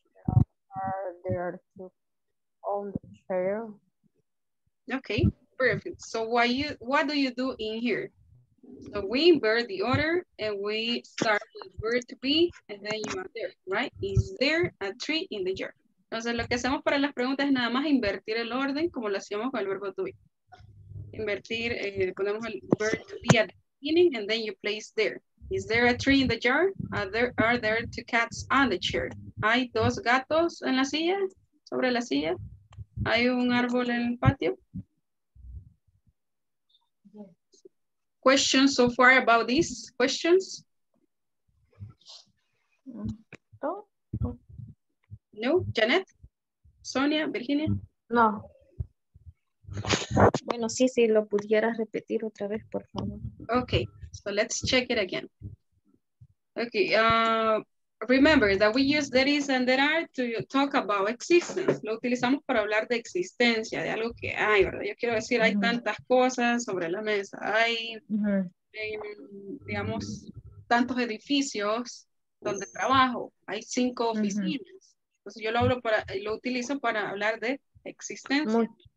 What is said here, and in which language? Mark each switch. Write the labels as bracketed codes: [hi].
[en] Are there two on the chair? Okay, perfect. So what do you do in here? So we invert the order and we start with verb to be and then you are there, right? Is there a tree in the yard? [es] Entonces lo que hacemos para las preguntas es nada más invertir el orden como lo hacíamos con el verbo to be. Invertir, ponemos el [en] verb to be at the beginning and then you place there. Is there a tree in the jar? Are there two cats on the chair? [es] ¿Hay dos gatos en la silla? ¿Sobre la silla? ¿Hay un árbol en el patio? [en] Questions so far about these questions? No, Janet? Sonia, Virginia? No. [es] Bueno, sí, si lo pudieras repetir otra vez, por favor. [en] Okay, so let's check it again. Okay, remember that we use there is and there are to talk about existence. [es] Lo utilizamos para hablar de existencia, de algo que hay, ¿verdad? Yo quiero decir, hay tantas cosas sobre la mesa. Hay, digamos, tantos edificios donde trabajo. Hay cinco oficinas. Entonces yo lo utilizo para hablar de existencia.